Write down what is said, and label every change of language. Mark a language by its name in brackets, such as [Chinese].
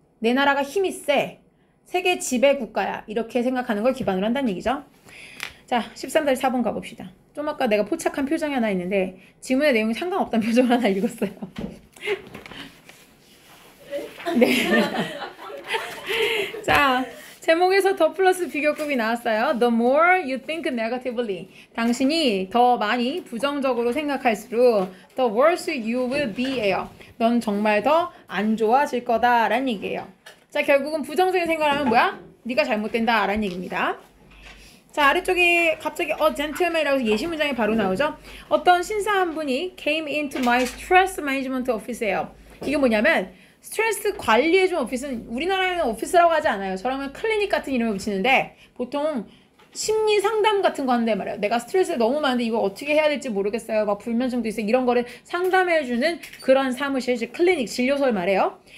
[Korean] 내 나라가 힘이 세. 세계 지배 국가야. 이렇게 생각하는 걸 기반으로 한다는 얘기죠. 자, 13-4번 가봅시다. 좀 아까 내가 포착한 표정이 하나 있는데 질문의 내용이 상관없다는 표정을 하나 읽었어요. 네. 자, 제목에서 더 플러스 비교급이 나왔어요. [English] The more you think negatively. [Korean] 당신이 더 많이 부정적으로 생각할수록 [English] the worse you will be [Korean] 예요. 넌 정말 더안 좋아질 거다라는 얘기예요. 자, 결국은 부정적인 생각을 하면 뭐야? 네가 잘못된다라는 얘기입니다. 자, 아래쪽에 갑자기 [English] a gentleman [Korean] 이라고 예시 문장이 바로 나오죠. 어떤 신사한 분이 [English] came into my stress management office예요. [Korean] 이게 뭐냐면 스트레스 관리해준 오피스는 우리나라에는 오피스라고 하지 않아요. 저러면 클리닉 같은 이름을 붙이는데 보통 심리 상담 같은 거 하는데 말이야. 내가 스트레스 너무 많은데 이거 어떻게 해야 될지 모르겠어요. 막 불면증도 있어요. 이런 거를 상담해주는 그런 사무실, 즉 클리닉, 진료소를 말해요.